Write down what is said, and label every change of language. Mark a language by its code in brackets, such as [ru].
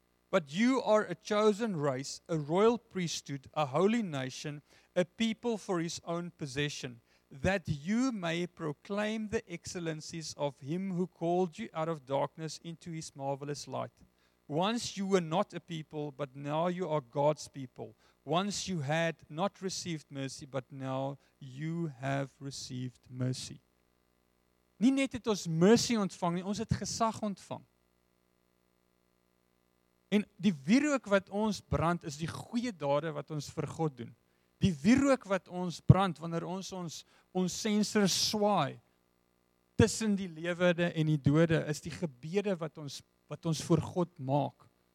[en] But you are a chosen race, a royal priesthood, a holy nation, a people for his own possession, that you may proclaim the excellencies of him who called you out of darkness into his marvelous light. Once you were not a people, but now you are God's people. Once you had not received mercy, but now you have received mercy. [af] Nie net het ons mercy ontvang, nie, ons het gesag ontvang. En die wierook wat ons brand, is die goeie dade wat ons vir God doen. Die wierook wat ons brand, wanneer ons sensor swaai, tussen die lewende en die dode, is die gebede wat ons voor God maak.